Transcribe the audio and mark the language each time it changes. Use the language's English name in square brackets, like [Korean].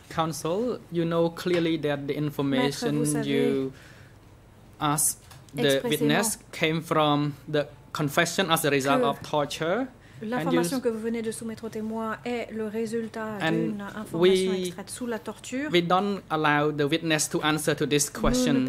[English] Counsel, you know clearly that the information you asked the witness came from the confession as a result of torture. [French] L'information que vous venez de soumettre au témoin est le résultat d'une information extraite sous la torture. [English] We don't allow the witness to answer to this question.